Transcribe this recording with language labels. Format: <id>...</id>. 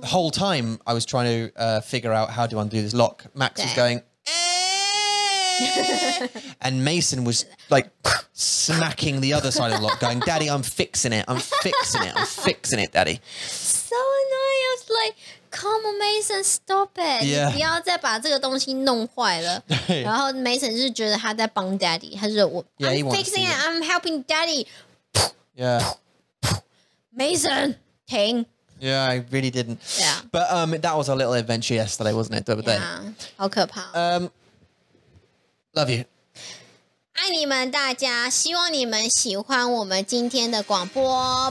<en>the whole time I was trying to figure out how to undo this lock, Max was going, and Mason was like smacking the other side of the lock, going, Daddy, I'm fixing it. I'm fixing it. I'm fixing it, Daddy. So annoying. I was like,Come on, Mason, stop it. Yeah.</en> <zh>你不要再把这个东西弄坏了。然后 Mason 就觉得他在帮 Daddy, 他就说我</zh> <en>yeah, I'm fixing it, I'm helping Daddy. Yeah.</en> <zh>Mason, 停。</zh> <en>Yeah, I really didn't. Yeah. But that was our little adventure yesterday, wasn't it?</en> <zh>对不对？ Yeah, 好可怕。</zh> <en>Love you.</en> <zh>爱你们大家，希望你们喜欢我们今天的广播。</zh>